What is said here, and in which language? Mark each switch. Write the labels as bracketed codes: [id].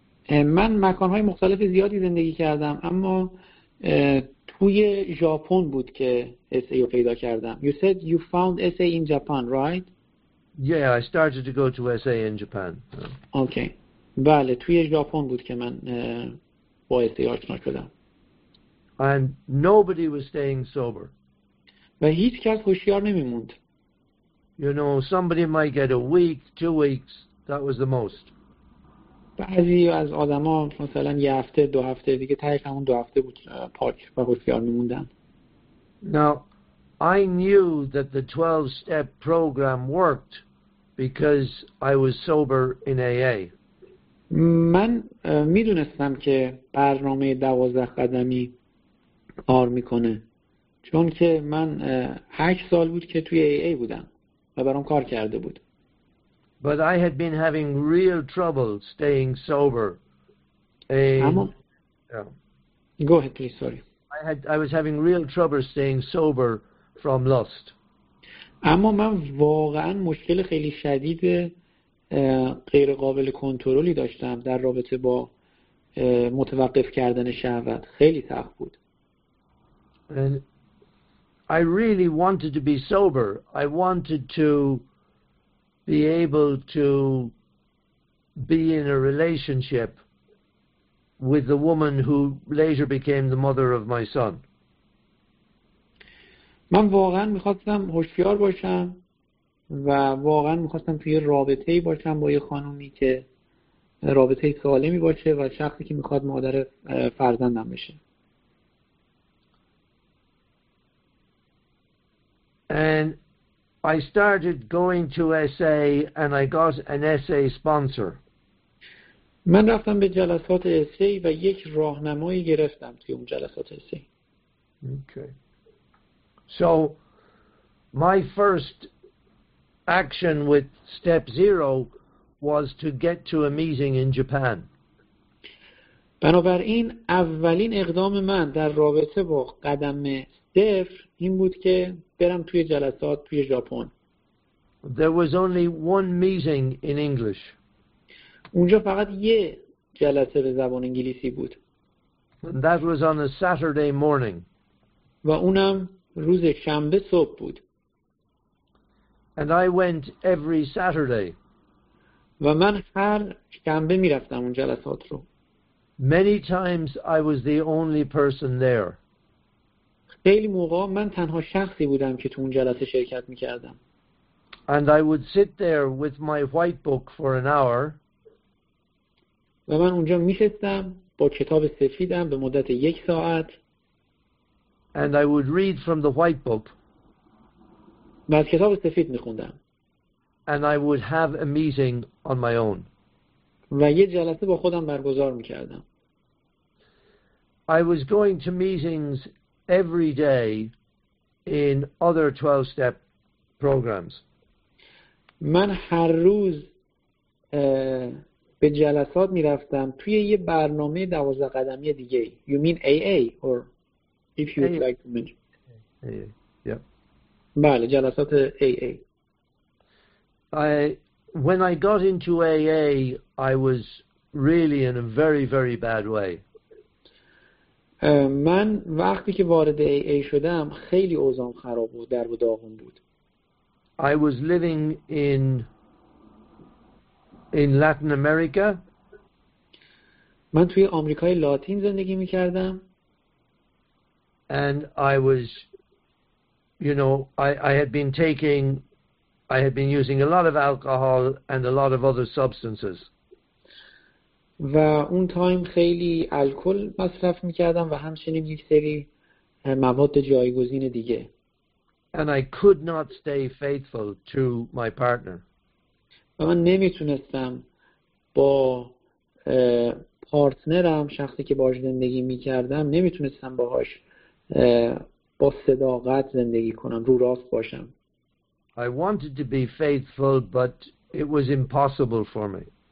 [fa] من مکانهای مختلف زیادی زندگی کردم اما توی ژاپن بود که SA رو پیدا کردم. [en] You said you found SA in Japan, right? Yeah, I started to go to SA in Japan. Okay. [fa] بله توی ژاپن بود که من با SA آشنا شدم. [en] And nobody was staying sober. [fa] و هیچ کس هوشیار نمی‌موند. [en] You know, somebody might get a week, 2 weeks. That was the most. [fa] بعضی از آدما مثلا یه هفته، دو هفته، دیگه تایید همون 2 هفته بود پاک و هوشیار می‌موندن. [en] Now, I knew that the 12-step program worked because I was sober in AA. [fa] من میدونستم که برنامه 12 قدمی کار میکنه چون که من 8 سال بود که توی AA بودم و برام کار کرده بود. [en] But I had been having real trouble staying sober. Go ahead, please. Sorry. I was having real trouble staying sober from lust. [fa] اما من واقعا مشکل خیلی شدید غیر قابل کنترلی داشتم در رابطه با متوقف کردن شهوت. خیلی سخت بود. [en] And I really wanted to be sober. I wanted to be able to be in a relationship with the woman who later became the mother of my son. [fa] من واقعا می‌خواستم هوشیار باشم و واقعا می‌خواستم توی رابطه‌ای باشم با یه خانومی که رابطه سالمی باشه و شخصی که می‌خواد مادر فرزندم بشه. [en] And I started going to SA and I got an SA sponsor. [fa] من رفتم به جلسات SA و یک راهنمایی گرفتم توی اون جلسات SA. [en] Okay. So my first action with step zero was to get to a meeting in Japan. [fa] بنابراین اولین اقدام من در رابطه با قدم صفر این بود که برم توی جلسات توی ژاپن. [en] There was only one meeting in English. [fa] اونجا فقط یه جلسه به زبان انگلیسی بود. [en] And that was on a Saturday morning. [fa] و اونم روز شنبه صبح بود. [en] And I went every Saturday. [fa] و من هر شنبه میرفتم اون جلسات رو. [en] Many times I was the only person there. [fa] خیلی موقع من تنها شخصی بودم که تو اون جلسه شرکت میکردم. [en] And I would sit there with my white book for an hour. [fa] و من اونجا میشستم با کتاب سفیدم به مدت یک ساعت. [en] And I would read from the white book. [fa] من از کتاب سفید میخوندم. [en] And I would have a meeting on my own. [fa] و یه جلسه با خودم برگزار میکردم. [en] I was going to meetings every day in other 12-step programs. [fa] من هر روز به جلسات میرفتم توی یه برنامه 12 قدمی دیگه. [en] You mean AA or if you would like to mention. [fa] بله جلسات AA. [en] When I got into AA, I was really in a very, very bad way. [fa] من وقتی که وارد AA شدم خیلی اوضاعم خراب بود، درد و داغون بود. [en] I was living in Latin America. [fa] من توی آمریکای لاتین زندگی می‌کردم. [en] And I was, you know, I had been using a lot of alcohol and a lot of other substances. [fa] و اون تایم خیلی الکل مصرف می‌کردم و همچنین یک سری مواد جایگزین دیگه. [en] And I could not stay faithful to my partner. [fa] و من نمیتونستم با پارتنرم، شخصی که باهاش زندگی می‌کردم، نمیتونستم باهاش با صداقت زندگی کنم، رو راست باشم. [en] I wanted to be faithful, but it was impossible for me.